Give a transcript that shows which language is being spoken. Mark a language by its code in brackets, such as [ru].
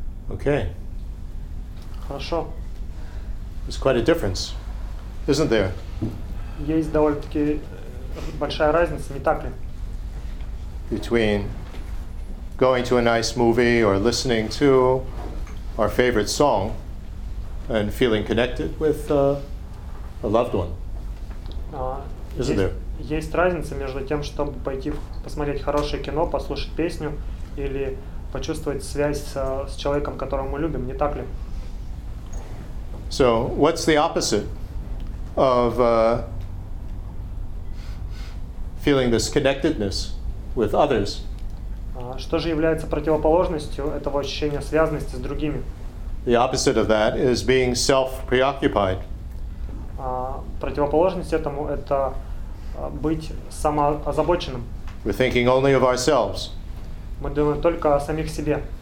[en] Okay. [ru] Хорошо. [en] There's quite a difference, isn't there? [ru] Есть довольно-таки большая разница, не так ли? [en] Between going to a nice movie or listening to our favorite song and feeling connected with a loved one. Isn't there? [ru] Есть разница между тем, чтобы пойти посмотреть хорошее кино, послушать песню или почувствовать связь с человеком, которого мы любим, не так ли? [en] So, what's the opposite of feeling this connectedness with others? [ru] Что же является противоположностью этого ощущения связанности с другими? [en] The opposite of that is being self-preoccupied. [ru] Противоположность этому — это быть самоозабоченным. [en] We're thinking only of ourselves. [ru] Мы думаем только о самих себе.